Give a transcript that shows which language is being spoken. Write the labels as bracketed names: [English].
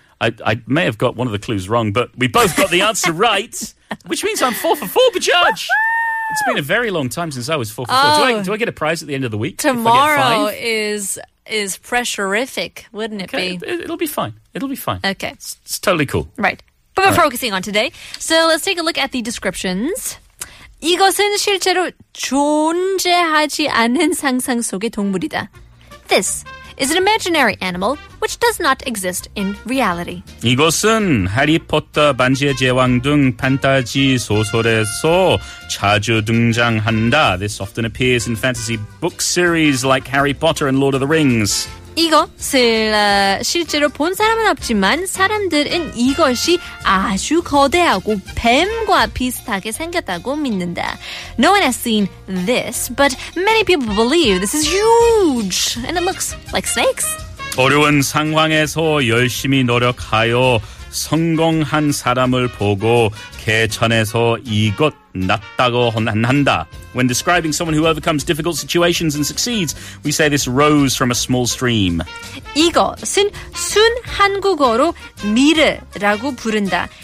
[English] I may have got one of the clues wrong, but we both got the answer right, which means I'm 4 for 4, Bajaj. It's been a very long time since I was 4 for 4. Do I get a prize at the end of the week? Tomorrow is pressurific, wouldn't it okay, be? It'll be fine. It'll be fine. Okay. It's totally cool. Right. But we're focusing on today. So let's take a look at the descriptions. [Korean] 이것은 실제로 존재하지 않은 상상 속의 동물이다. [English] This is an imaginary animal which does not exist in reality. [Korean] 이것은 해리포터, 반지의 제왕 등 판타지 소설에서 자주 등장한다. [English] This often appears in fantasy book series like Harry Potter and Lord of the Rings. [Korean] 이것을 실제로 본 사람은 없지만 사람들은 이것이 아주 거대하고 뱀과 비슷하게 생겼다고 믿는다. [English] No one has seen this, but many people believe this is huge and it looks like snakes. [Korean] 어려운 상황에서 열심히 노력하여 성공한 사람을 보고 개천에서 이것 낫다고 한다. [English] When describing someone who overcomes difficult situations and succeeds, we say this rose from a small stream. [Korean] 이것은 순 한국어로 미르라고 부른다.